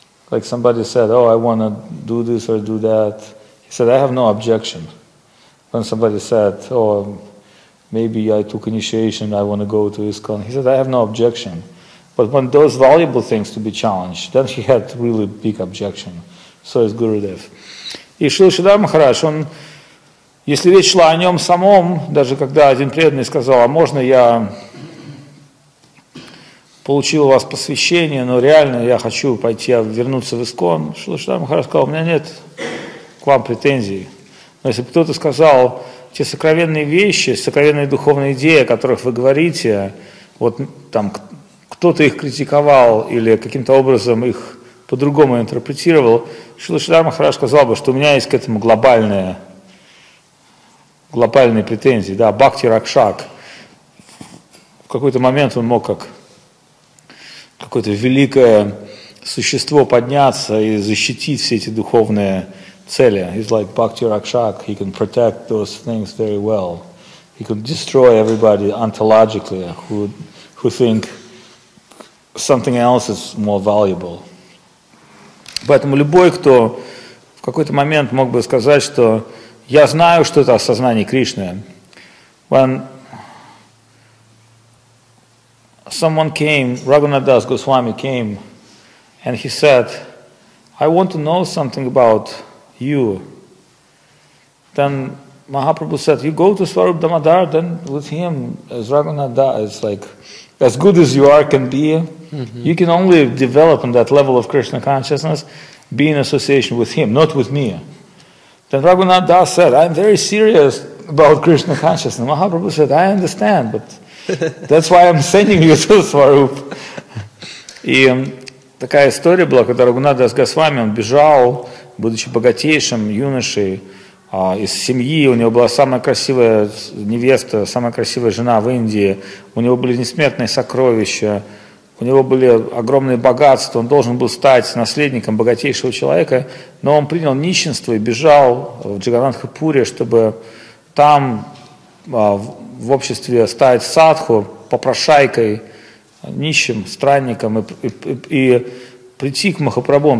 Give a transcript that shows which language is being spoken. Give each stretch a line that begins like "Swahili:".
English: Like somebody said, oh, I want to do this or do that. He said, I have no objection. When somebody said, oh, maybe I took initiation, I want to go to ISKCON. He said, I have no objection. But when those valuable things to be challenged, then he had really big objection. So is Gurudev.
Russian: И Шрила Шридхара Махарадж, он, если речь шла о нем самом, даже когда один преданный сказал, а можно я получил у вас посвящение, но реально я хочу пойти вернуться в ИСККОН, Шрила Шридхара Махарадж сказал, у меня нет к вам претензий. Но если кто-то сказал, те сокровенные вещи, сокровенные духовные идеи, о которых вы говорите, вот там кто-то их критиковал или каким-то образом их по-другому интерпретировал, Шрила Шридхара Махарадж сказал бы, что у меня есть к этому глобальные претензии, да, Бхакти Ракшак. В какой-то момент он мог как какое-то великое существо подняться и защитить все эти духовные цели.
English: He's like Bhakti Rakshak, he can protect those things very well. He could destroy everybody ontologically who think something else is more valuable.
Russian: Поэтому любой, кто в какой-то момент мог бы сказать, что я знаю, что это осознание Кришны.
English: When someone came, Raghunath Das Goswami came, and he said, I want to know something about you. Then Mahaprabhu said, you go to Swarup Damodar, then with him, as Raghunath Das, it's like, as good as you are can be, you can only develop on that level of Krishna consciousness, be in association with him, not with me. Then Raghunath Das said, I'm very serious about Krishna consciousness. Mahaprabhu said, I understand, but that's why I'm sending you to Swarup.
Russian: И такая история была, когда Рагунатх Дас Госвами, он бежал, будучи богатейшим юношей из семьи, у него была самая красивая невеста, самая красивая жена в Индии, у него были несметные сокровища, у него были огромные богатства, он должен был стать наследником богатейшего человека, но он принял нищенство и бежал в Джаганнатхапуре, чтобы там в обществе стать садху, попрошайкой, нищим, странником, и прийти к Махапрабху.